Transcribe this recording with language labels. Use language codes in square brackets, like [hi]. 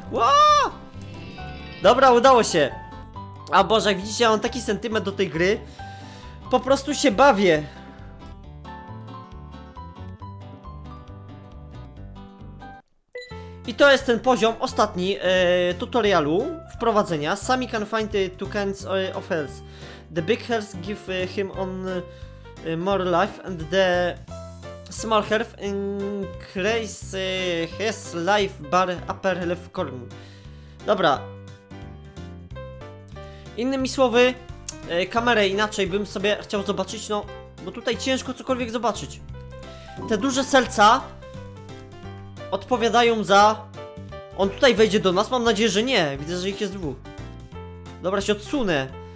[pl] O! Dobra, udało się. A Boże, jak widzicie, ja mam taki sentyment do tej gry. Po prostu się bawię. I to jest ten poziom ostatni tutorialu wprowadzenia. [en] Sami can find the two kinds of health. The big health give him on more life and the small health increase his life bar upper left corner. [pl] Dobra. Innymi słowy, kamerę inaczej bym sobie chciał zobaczyć, no bo tutaj ciężko cokolwiek zobaczyć. Te duże serca odpowiadają za... On tutaj wejdzie do nas? Mam nadzieję, że nie. Widzę, że ich jest dwóch. Dobra, się odsunę.